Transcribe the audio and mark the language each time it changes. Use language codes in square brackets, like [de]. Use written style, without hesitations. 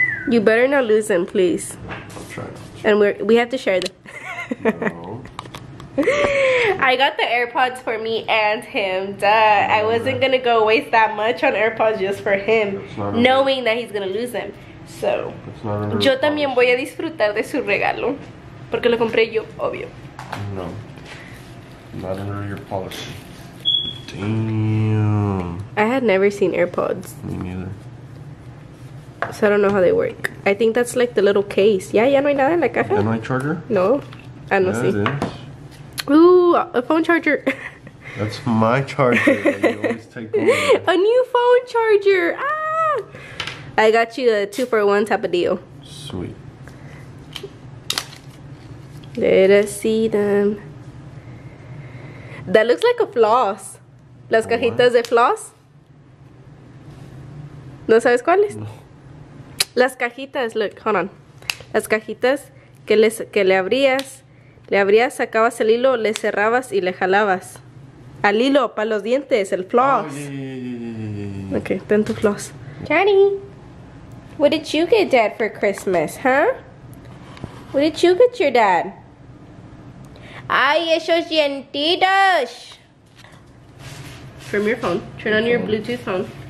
[en] You better not lose them, please. I'll try. And we have to share them. No. I got the AirPods for me and him. Duh. I wasn't gonna go waste that much on AirPods just for him, knowing that he's gonna lose them. [es] So, yo también voy a disfrutar de su regalo. Porque lo compré yo, obvio. [en] No. Not under your policy. Damn. I had never seen AirPods. Me neither. So I don't know how they work. I think that's like the little case. Yeah, [es] ya no hay nada en la caja. Ya no hay charger? No. Ah, no, sí. [en] Ooh, a phone charger. That's my charger. You always take one. A new phone charger. Ah! I got you a 2-for-1 type of deal. Sweet. Let us see them. That looks like a floss. [es] Las cajitas de floss. ¿No sabes cuáles? No. Las cajitas, [en] look, hold on. [es] Las cajitas que le abrías. Le abrías, sacabas el hilo, le cerrabas y le jalabas. Al hilo, para los dientes, el floss. [en] Oh, yeah. [es] Okay, ten tu floss. [en] Johnny, what did you get dad for Christmas, huh? What did you get your dad? [es] Ay, esos dientitos. [en] From your phone. Turn on your Bluetooth phone.